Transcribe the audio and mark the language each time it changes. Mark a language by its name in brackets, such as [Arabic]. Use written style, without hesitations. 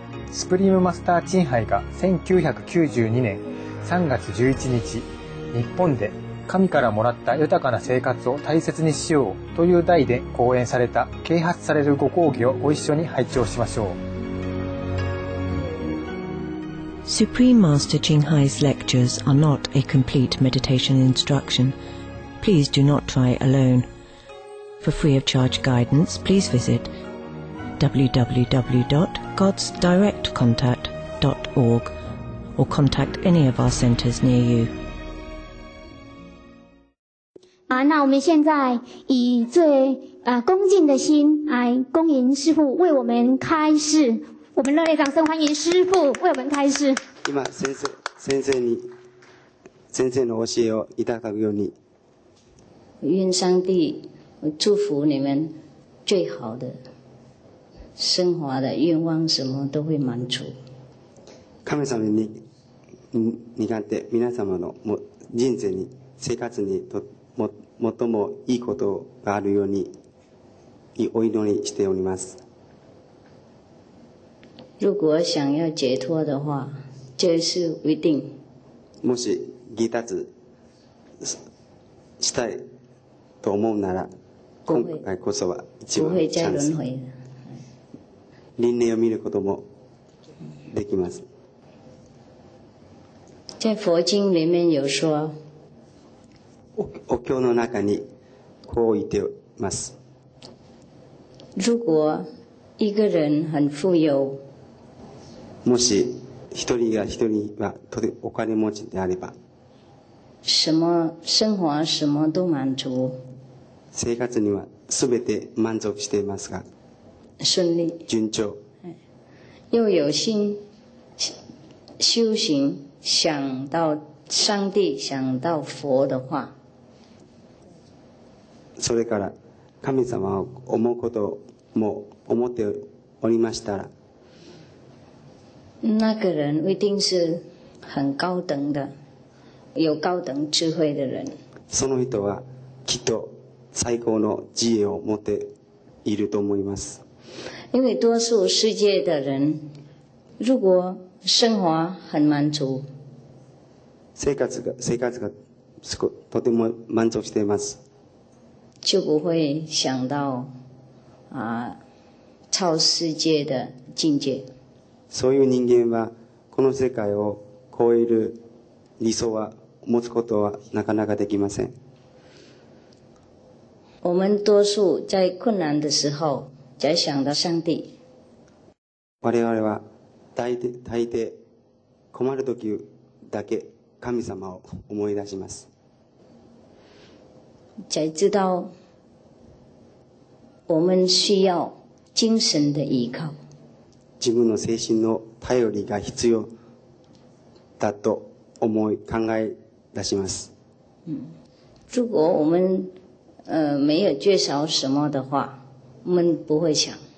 [Japanese] スプリームマスターチンハイが1992年3月11日日本で神からもらった豊かな生活を大切にしようという題で講演された啓発されるご講義をご一緒に拝聴しましょう。 [English] Supreme Master Chinhai's lectures are not a complete meditation instruction. Please do not try alone. For free of charge guidance, please visit www.godsdirectcontact.org or contact any of our centers near you. [Chinese] 啊，那我们现在以最恭敬的心来恭迎师父为我们开示。我们热烈掌声欢迎师父为我们开示。 [Japanese] 今先生 [Chinese] 你真正的 [Japanese] 教えをいただくように。 [Chinese] 愿上帝祝福你们最好的生活的愿望什么都会满足。 [Japanese] 神様に願って皆様の人生に生活にとも最もいいことがあるようにお祈りしております。 [Chinese] 如果想要解脱的话，这是一定。 [Japanese] もし離脱したいと思うなら、今回こそは一番チャンス。 [Chinese] 不会再轮回。 [Japanese] 輪廻を見ることもできます。 [Chinese] 在佛经里面有说。 [Japanese] お経の中にこう言っています。 [Chinese] 如果一个人很富有。 [Japanese] もし一人が一人はとてもお金持ちであれば、 [Chinese] 什么生活什么都满足、 [Japanese] 生活にはすべて満足していますが、 [Chinese] 顺利、 [Japanese] 順調、 [Chinese] 又有心修行、想到上帝、想到佛的话、 [Japanese] それから神様を思うことも思っておりましたら。 [Chinese] 那个人一定是很高等的，有高等智慧的人。 [Japanese] その人はきっと最高の智慧を持っていると思います。 [Chinese] 因为多数世界的人，如果生活很满足， [Japanese] 生活がとても満足しています， [Chinese] 就不会想到啊超世界的境界。 [Japanese] そういう人間はこの世界を超える理想は持つことはなかなかできません。 [Chinese] 我们多数在困難的时候在想到上帝。 [Japanese] 我々は大抵困る時だけ神様を思い出します。 [Chinese] 才知道我们需要精神的依靠、 [Japanese] 自分の精神の頼りが必要だと思い考え出します。 [Chinese] 如果我们没有缺少什么的话，我们不会想。